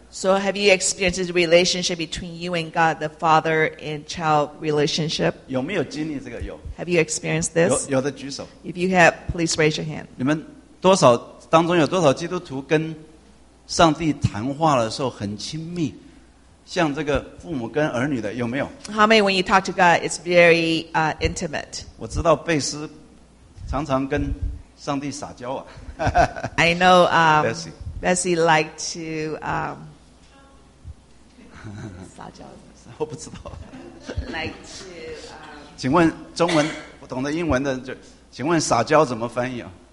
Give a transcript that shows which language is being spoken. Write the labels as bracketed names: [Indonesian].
[English] So have you experienced the relationship between you and God, the father and child relationship? [Chinese] 有没有经历这个？有。 [English] Have you experienced this? [Chinese] 有的举手。 [English] If you have, please raise your hand. [Chinese] 你们多少当中有多少基督徒跟上帝谈话的时候很亲密，像这个父母跟儿女的，有没有？ [English] How many when you talk to God, it's very intimate? [Chinese] 我知道贝斯常常跟上帝撒娇啊。 [English] I know Bessie like to [Chinese] 撒娇，我不知道。 [English] Like to [Chinese] 请问中文不懂的英文的，就请问撒娇怎么翻译啊？